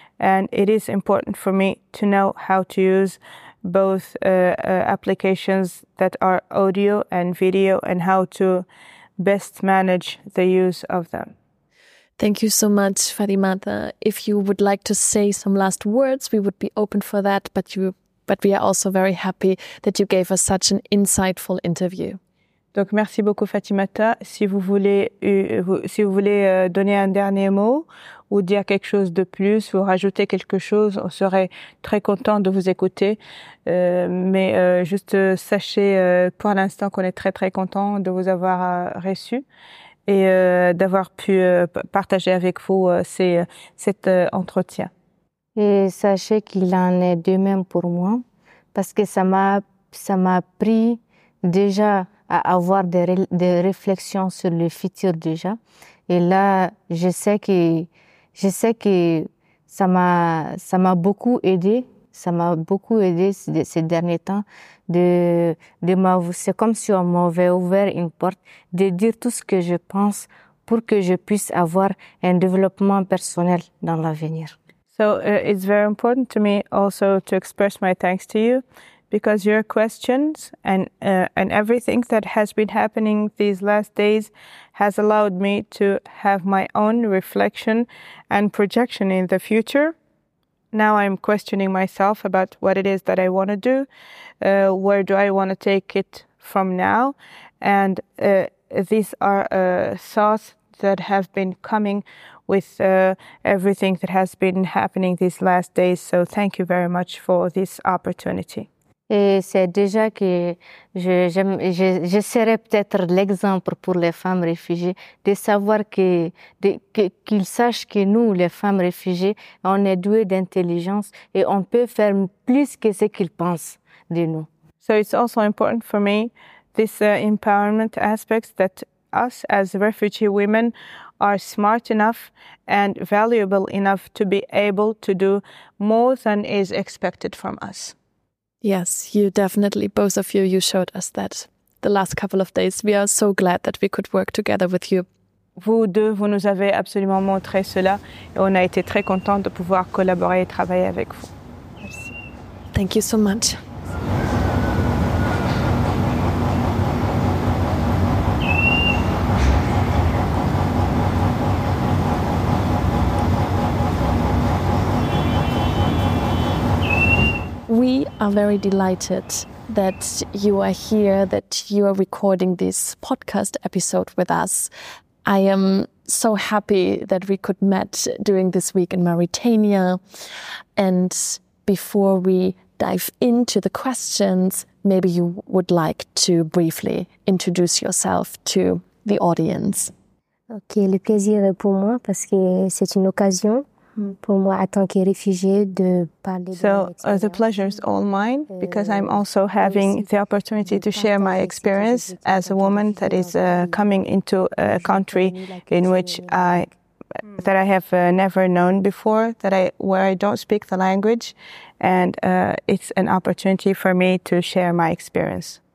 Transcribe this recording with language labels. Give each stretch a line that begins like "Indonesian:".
English: And it is important for me to know how to use both applications that are audio and video and how to best manage the use of them. Thank you so much, Fatimata. If you would like to say some last words, we would be open for that. But we are also very happy that you gave us such an insightful interview.
French: Donc merci beaucoup Fatimata. Si vous voulez donner un dernier mot ou dire quelque chose de plus ou rajouter quelque chose, on serait très content de vous écouter. Mais juste sachez pour l'instant qu'on est très très content de vous avoir reçu et d'avoir pu partager avec vous cet entretien. Et sachez qu'il en est de même pour moi parce que ça m'a pris déjà à avoir des réflexions sur le futur déjà. Et là, je sais que ça m'a beaucoup aidé. Ça m'a beaucoup aidé ces derniers temps c'est comme si on m'avait ouvert une porte de dire tout ce que je pense pour que je puisse avoir un développement personnel dans l'avenir.
English: So, it's very important to me also to express my thanks to you. Because your questions and everything that has been happening these last days has allowed me to have my own reflection and projection in the future. Now I'm questioning myself about what it is that I want to do, where do I want to take it from now. And these are thoughts that have been coming with everything that has been happening these last days. So thank you very much for this opportunity.
French: Et c'est déjà que je serai peut-être l'exemple pour les femmes réfugiées de savoir qu'ils sachent que nous, les femmes réfugiées, on est douées d'intelligence et on peut faire plus que ce qu'ils pensent de nous.
English: So it's also important for me, this empowerment aspect that us as refugee women are smart enough and valuable enough to be able to do more than is expected from us. Yes, you definitely, both of you, you showed us that the last couple of days. We are so glad that we could work together with you.
French: Vous deux, vous nous avez absolument montré cela et on a été très contents de pouvoir collaborer et travailler avec vous. Merci.
English: Thank you so much. We are very delighted that you are here, that you are recording this podcast episode with us. I am so happy that we could meet during this week in Mauritania. And before we dive into the questions, maybe you would like to briefly introduce yourself to the audience.
French: Okay, le plaisir est pour moi parce que c'est une occasion.
English: So the pleasure is all mine because I'm also having the opportunity to share my experience as a woman that is coming into a country in which I have never known before, where I don't speak the language, and it's an opportunity for me to share my experience.